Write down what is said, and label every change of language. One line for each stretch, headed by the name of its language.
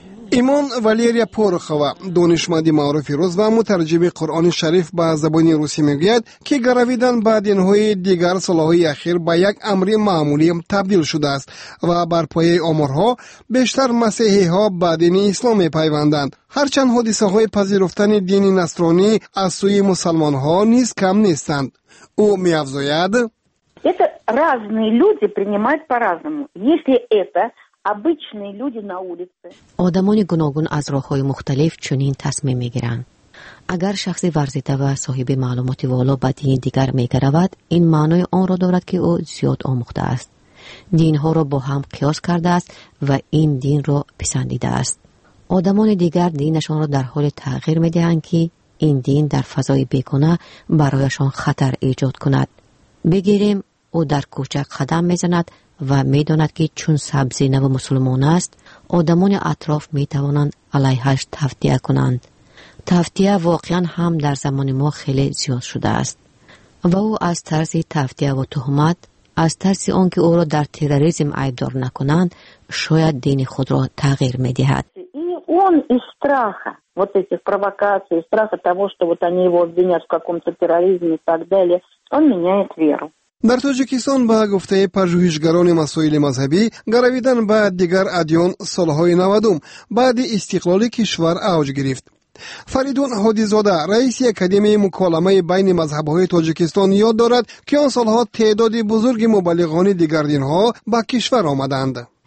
Persian: ایمان والیریا پورخوا، دانشمند معروف روس و مترجم قرآن شریف به زبان روسی، میگوید که گرویدن به دینهای دیگر سالهای اخیر به یک امر معمولی تبدیل شده است و بر پایه آمارها بیشتر مسیحی ها به دین اسلام میپیوندند، هرچند حادثه های پذیرفتن دین نصرانی از سوی مسلمان ها نیز کم نیستند. او میافزاید:
English: It's a
Russian: разные люди принимают по-разному. Если это обычные люди на улице.
Tajik: Одамони гуногун аз роҳҳои мухталиф чунин тасмим мегиранд. Агар шахси варзита ва соҳиби маълумоти воло ба дини дигар мегаравад, ин маънои онро дорад ки ӯ зиёд омӯхтааст. Динҳоро бо ҳам қиёс кардааст ва ин динро писандидааст. Одамони дигар динашонро дар ҳоли тағйир медиҳанд ки ин дин дар фазои бекуна барояшон хатар эҷод кунад. Бигирем, ӯ дар кӯча қадам мезанад ва медонад ки чун сабзи наву мусулмон аст, одамони атроф метавонанд алайҳаш тавтия кунанд.
Persian: تفتیه واقعاً هم در زمان ما خیلی زیاد شده است. و او از طرز تفتیه و تهمت، از طرز اون که او را در تروریسم عیب دار نکنند، شاید دین خود را تغییر می دهد.
Russian: Он из страха вот этих провокаций, страха того, что вот они его обвинят в каком-то терроризме и так далее, он меняет веру.
Persian: در توجیکستان با گفته پژوهشگران مسائل مذهبی گرویدن به دیگر ادیان سالهای 90 بعد استقلال کشور اوج گرفت. فریدون حادی‌زاده رئیس اکادمی مکالمه بین مذهب‌های تاجیکستان یاد دارد که آن سالها تعداد بزرگی مبلغان دیگر دین‌ها به کشور آمدند.